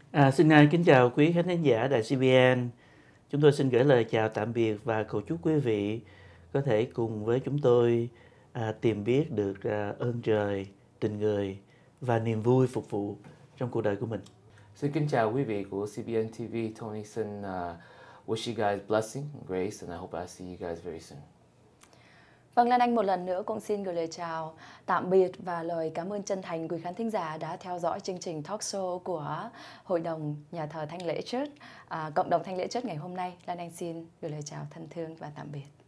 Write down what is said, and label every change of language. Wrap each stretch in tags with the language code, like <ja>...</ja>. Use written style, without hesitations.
<vi>Xin kính chào quý khán thính giả đài CBN. Chúng tôi xin gửi lời chào tạm biệt và cầu chúc quý vị có thể cùng với chúng tôi tìm biết được ơn trời, tình người và niềm vui phục vụ trong cuộc đời của mình. Xin kính chào quý vị của CBN TV.</vi> <en>Tony xin wish you guys blessing, grace and I hope I see you guys very soon.</en> <vi>Vâng, Lan Anh một lần nữa cũng xin gửi lời chào tạm biệt và lời cảm ơn chân thành quý khán thính giả đã theo dõi chương trình talk show của Hội đồng Nhà thờ Thanh Lễ Church, Cộng đồng Thanh Lễ Church ngày hôm nay. Lan Anh xin gửi lời chào thân thương và tạm biệt.</vi>